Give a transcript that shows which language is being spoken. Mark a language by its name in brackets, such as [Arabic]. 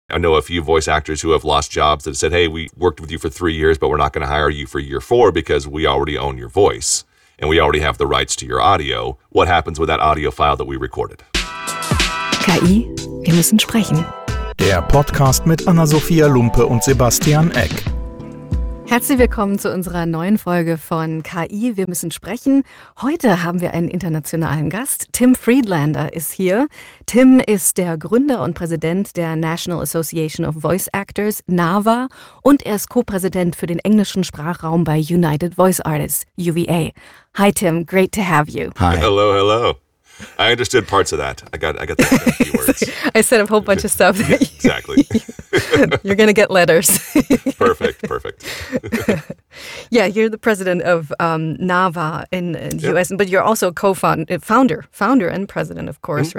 [English] I know a few voice actors who have lost jobs that said, hey, we worked with you for 3 years, but we're not going to hire you for year four because we already own your voice and we already have the rights to your audio. What happens with that audio file that we recorded? [German] KI, wir müssen sprechen. Der Podcast mit Anna-Sophia Lumpe und Sebastian Eck. Herzlich willkommen zu unserer neuen Folge von KI, wir müssen sprechen. Heute haben wir einen internationalen Gast. Tim Friedlander ist hier. Tim ist der Gründer und Präsident der National Association of Voice Actors, NAVA, und er ist Co-Präsident für den englischen Sprachraum bei United Voice Artists, UVA. [English] Hi Tim, great to have you. Hi. Hello, hello. I understood parts of that. I got the few words. I said a whole bunch of stuff. Yeah, exactly. You're going to get letters. Perfect. Yeah, you're the president of NAVA in the U.S., but you're also founder and president, of course, mm-hmm.